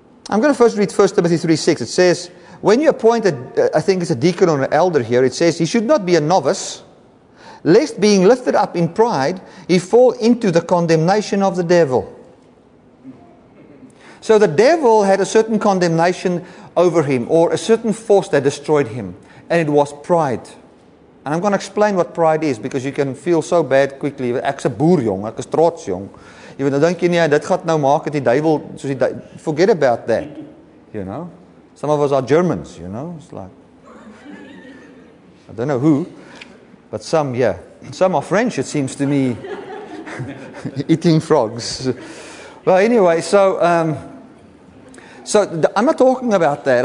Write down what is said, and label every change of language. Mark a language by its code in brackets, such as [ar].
[en] I'm going to first read 1 Timothy 3:6. It says, when you appoint, I think it's a deacon or an elder here, it says, he should not be a novice, lest being lifted up in pride, he fall into the condemnation of the devil. So the devil had a certain condemnation over him, or a certain force that destroyed him, and it was pride. And I'm going to explain what pride is, because you can feel so bad quickly. [af] Ek's 'n boer jong, ek is trots jong. Even dan dink jy nie, dit gaat nou maak, die duivel, soos die duivel, [en] forget about that. You know? Some of us are Germans, you know? It's like, I don't know who, but some, yeah. Some are French, it seems to me, eating frogs. Well, anyway, I'm not talking about that.